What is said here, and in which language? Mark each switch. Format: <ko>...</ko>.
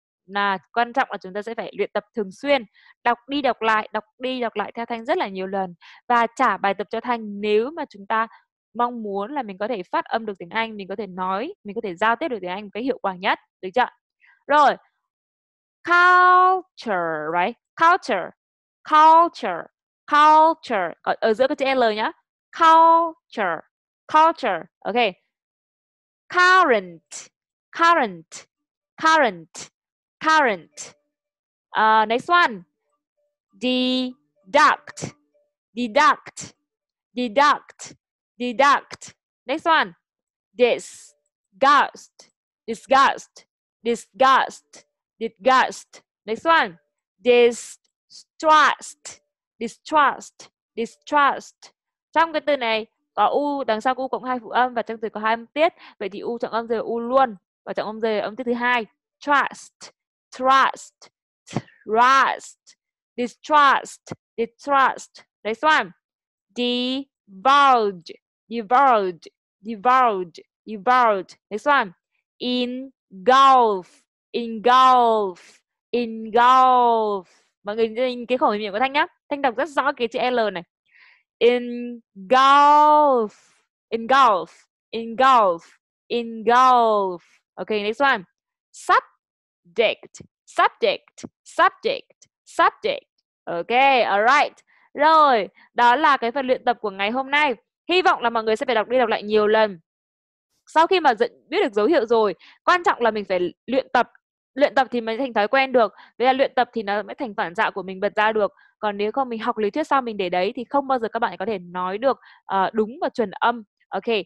<vi>Là quan trọng là chúng ta sẽ phải luyện tập thường xuyên, đọc đi đọc lại, đọc đi đọc lại theo Thanh rất là nhiều lần và trả bài tập cho Thanh nếu mà chúng ta mong muốn là mình có thể phát âm được tiếng Anh, mình có thể nói, mình có thể giao tiếp được tiếng Anh một cái hiệu quả nhất, được chưa?</vi> <en>Rồi, culture, right? Culture, culture, culture.</en> <vi>Ở giữa có chữ L nhá.</vi> <en>Culture, culture, ok. Current, current, current, current. Next one. Deduct, deduct, deduct, deduct. Next one. Disgust, disgust, disgust, disgust. Next one. Distrust, distrust, distrust.</en> <vi>Trong cái từ này có U, đằng sau U cộng hai phụ âm và trong từ có hai âm tiết, vậy thì U trọng âm rơi U luôn và trọng âm rơi âm tiết thứ hai.</vi> <en>Trust, trust, trust, distrust, distrust. Next one. Divulge, divulge, divulge, divulge. Next one. Engulf, engulf, engulf.</en> <vi>Mọi người nhìn cái khẩu hình miệng của Thanh nhá. Thanh đọc rất rõ cái chữ L này.</vi> <en>Engulf, engulf, engulf, engulf. Ok, next one. Subject, subject, subject, subject. Ok, alright.</en> <vi>Rồi, đó là cái phần luyện tập của ngày hôm nay. Hy vọng là mọi người sẽ phải đọc đi đọc lại nhiều lần. Sau khi mà biết được dấu hiệu rồi, quan trọng là mình phải luyện tập. Luyện tập thì mới thành thói quen được. Vậy là luyện tập thì nó mới thành phản xạ của mình bật ra được. Còn nếu không mình học lý thuyết xong mình để đấy thì không bao giờ các bạn có thể nói được đúng và chuẩn âm. Ok.</vi>